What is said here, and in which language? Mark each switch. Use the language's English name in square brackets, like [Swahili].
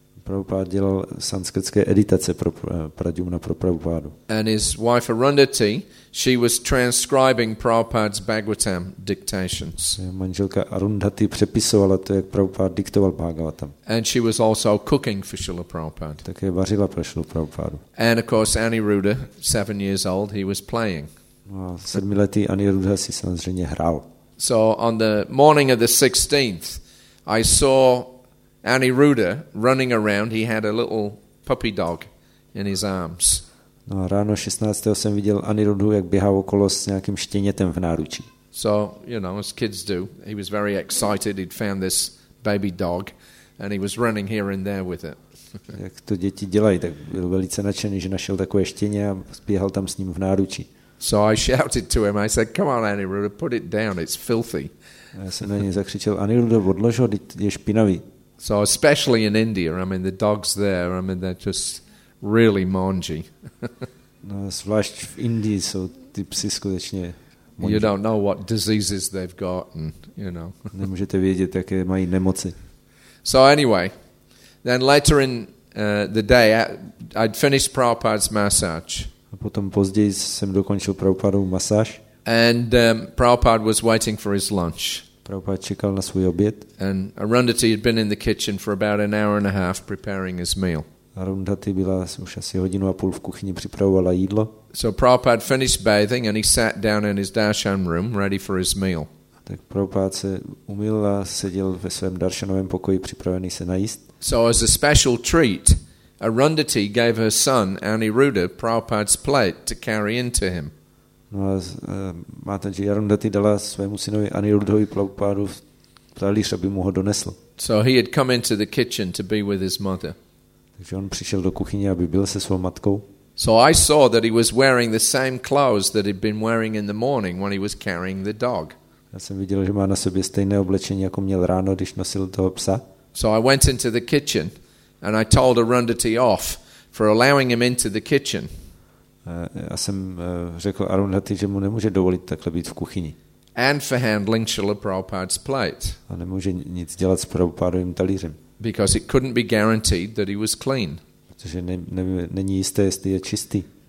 [Czech] Prabhupada dělal sanskritské editace pro Pradyumna pro Prabhupádu. [English] And his wife Arundhati, she was transcribing Prabhupada's Bhagavatam dictations. [Czech] Manželka Arundhati přepisovala to, jak Prabhupada diktoval Bhagavatam. [English] And she was also cooking for Srila Prabhupada. [Czech] Také vařila pro Srilu Prabhupádu. [English] And of course Aniruddha, 7 years old, he was playing. [Czech] A 7letý Aniruddha si samozřejmě hrál. [English] So on the morning of the 16th, I saw Aniruddha running around. He had a little puppy dog in his arms. [Czech] No a ráno 16. jsem viděl Aniruddhu, jak běhá okolo s nějakým štěnětem v náručí. [English] So, you know, as kids do, he was very excited. He'd found this baby dog and he was running here and there with it. [Czech] Jak to děti dělají, tak byl velice nadšený, že našel takové štěně a běhal tam s ním v náručí. [English] So I shouted to him, I said, come on Aniruddha, put it down, it's filthy. [Czech] A já jsem na něj zakřičel, Aniruddha, odlož ho, je špinavý. [English] So especially in India, I mean, the dogs there, I mean, they're just really mangy. [Czech] No, zvlášť v Indii jsou ty psi skutečně mangy. [English] You don't know what diseases they've got, and, you know. [Czech] Nemůžete vědět, jaké mají nemoci. [English] So anyway, then later in the day, I'd finished Prabhupada's massage. [Czech] A potom později jsem dokončil Prabhupádovu masáž. [English] And Prabhupada was waiting for his lunch. [Czech] Prabhupada čekal na svůj oběd. [English] And Arundhati had been in the kitchen for about an hour and a half preparing his meal. [Czech] Arundhati byla už asi hodinu a půl v kuchyni, připravovala jídlo. [English] So Prabhupada finished bathing and he sat down in his darshan room ready for his meal. [Czech] Tak Prabhupada se umyl a seděl ve svém darshanovém pokoji připravený se najíst. [English] So as a special treat, Arundhati gave her son Aniruddha Prabhupada's plate to carry into him. [Czech] No a máte, že Arundhati dala svému synovi Aniruddhovi Prabhupádu talíř, aby mu ho donesl. [English] So he had come into the kitchen to be with his mother. [Czech] Takže on přišel do kuchyně, aby byl se svou matkou. [English] So I saw that he was wearing the same clothes that he'd been wearing in the morning when he was carrying the dog. [Czech] Já jsem viděl, že má na sobě stejné oblečení, jako měl ráno, když nosil toho psa. [English] So I went into the kitchen and I told Arundhati off for allowing him into the kitchen. [Czech] Já jsem řekl Arundhati, že mu nemůže dovolit takhle být v kuchyni. [English] And for handling Srila Prabhupada's plate. [Czech] A nemůže nic dělat s Prabhupádovým talířem. [English] Because it couldn't be guaranteed that he was clean. [Czech] Protože není jisté, jestli je čistý.